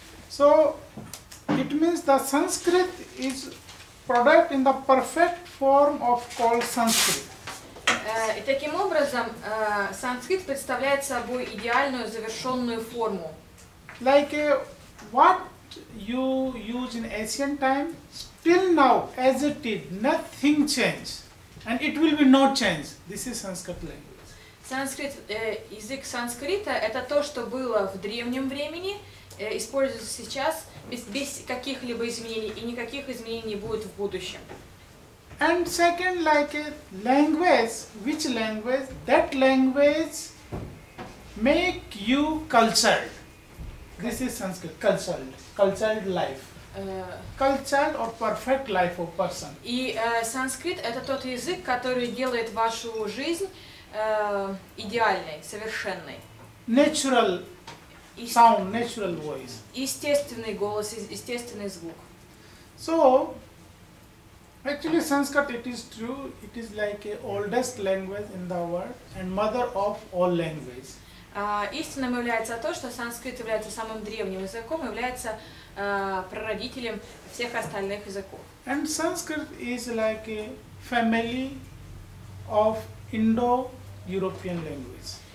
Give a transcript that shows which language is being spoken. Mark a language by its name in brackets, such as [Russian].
[English] So it means the Sanskrit is product in the perfect form of called Sanskrit. [Russian] И таким образом санскрит представляет собой идеальную завершенную форму. [English] Like what you use in ancient time, still now as it is, nothing changed, and it will be no change. This is Sanskrit language. [Russian] Санскрит, язык санскрита – это то, что было в древнем времени, используется сейчас без каких-либо изменений, и никаких изменений не будет в будущем. [English] And second, like a language, which language? That language make you cultured. This is Sanskrit, cultured, cultured life. Cultured or perfect life of person. [Russian] И санскрит – это тот язык, который делает вашу жизнь идеальной, совершенной. [English] Natural sound, natural voice. [Russian] Естественный голос, естественный звук. [English] So, actually Sanskrit, it is true, it is like a oldest language in the world and mother of all languages. [Russian] Истинным является то, что санскрит является самым древним языком, является прародителем всех остальных языков. [English] And Sanskrit is like a family of Indo European language.